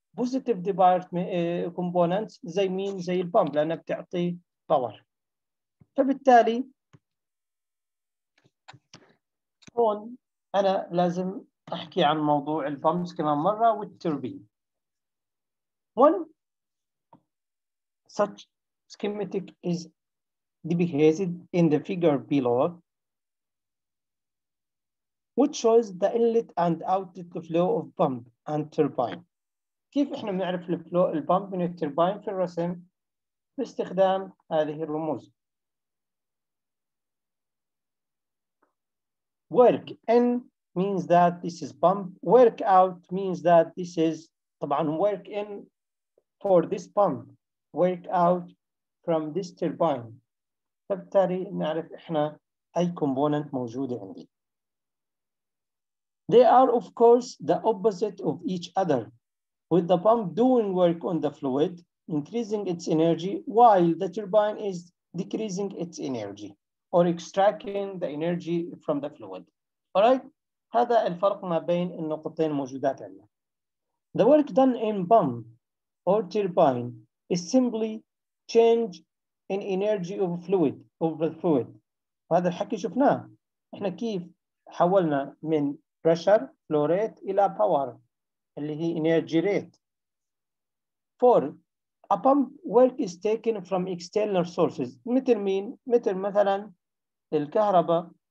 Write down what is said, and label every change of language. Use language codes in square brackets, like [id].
[en] positive components [ar] زي مين؟ زي البامب، لأنها بتعطي power. فبالتالي هون أنا لازم أحكي عن موضوع البامبس كمان مرة والتربين. [en] one such schematic is depicted in the figure below, which shows the inlet and outlet flow of pump and turbine. [ar] كيف احنا بنعرف الفلو البامب من التربين في الرسم؟ باستخدام هذه الرموز. [en] Work in means that this is pump. Work out means that this is, [ar] طبعا [en] work in for this pump. Work out from this turbine. [ar] فبالتالي نعرف احنا اي component موجودة عندي. [en] They are, of course, the opposite of each other, with the pump doing work on the fluid, increasing its energy, while the turbine is decreasing its energy or extracting the energy from the fluid. All right? [ar] هذا الفرق ما بين النقطتين الموجودات عندنا. [en] The work done in pump or turbine is simply change in energy of fluid over the fluid. [ar] هذا الحكي شفناه. احنا كيف حولنا من pressure, flow rate, إلى power, اللي هي energy rate. [en] Four, a pump work is taken from external sources. [ar] مثل مين؟ مثل مثلا الكهرباء.